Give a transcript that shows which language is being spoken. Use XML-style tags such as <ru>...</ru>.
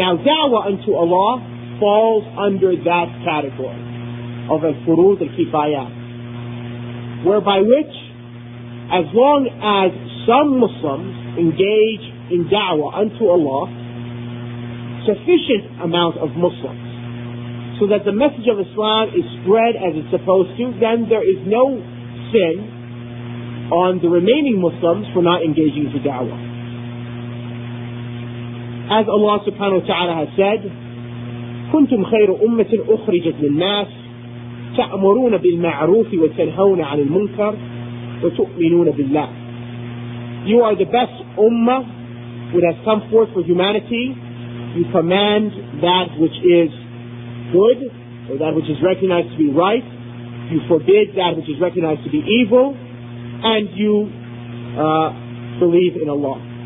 <en>Now, da'wah unto Allah falls under that category of al-furud al-kifayah, whereby which, as long as some Muslims engage in da'wah unto Allah, sufficient amount of Muslims, so that the message of Islam is spread as it's supposed to, then there is no sin on the remaining Muslims for not engaging in da'wah. As Allah subhanahu wa ta'ala has said,</en> <ar>كنتم خير أمة أخرجت للناس تأمرون بالمعروف وتنهون عن المنكر وتؤمنون بالله.</ar> <en>You are the best ummah that has come forth for humanity. You command that which is good, or that which is recognized to be right. You forbid that which is recognized to be evil. And you believe in Allah.</en>